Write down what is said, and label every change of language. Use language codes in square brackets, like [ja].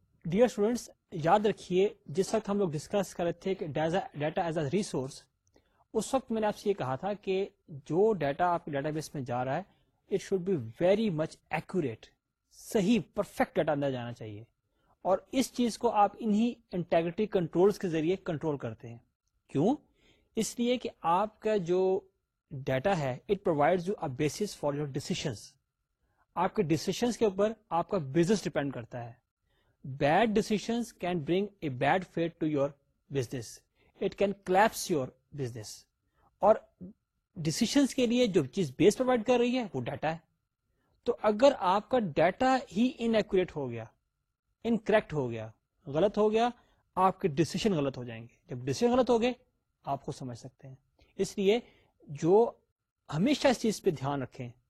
[ur] Dear students, یاد رکھیے جس وقت ہم لوگ ڈسکس کر رہے تھے کہ ڈیٹا ایز اے ریسورس, اس وقت میں نے آپ سے یہ کہا تھا کہ جو ڈیٹا آپ کے ڈیٹا بیس میں جا رہا ہے [en] it should be very much accurate, [ur] صحیح پرفیکٹ ڈیٹا اندر جانا چاہیے, اور اس چیز کو آپ انہی انٹیگریٹی کنٹرولس کے ذریعے کنٹرول کرتے ہیں. کیوں؟ اس لیے کہ آپ کا جو ڈیٹا ہے [en] it provides you a basis for your decisions, [ur] آپ کے ڈیسیشنز کے اوپر آپ کا بزنس ڈیپینڈ کرتا ہے. [en] Bad decisions can bring a bad fate to your business. It can collapse your business. [ur] اور decisions کے لیے جو چیز بیس پرووائڈ کر رہی ہے وہ ڈیٹا ہے. تو اگر آپ کا ڈیٹا ہی انیکوریٹ ہو گیا, انکریکٹ ہو گیا, غلط ہو گیا, آپ کے ڈسیشن غلط ہو جائیں گے. جب ڈسیشن غلط ہو گئے آپ کو سمجھ سکتے ہیں. اس لیے جو ہمیشہ اس چیز پہ دھیان رکھیں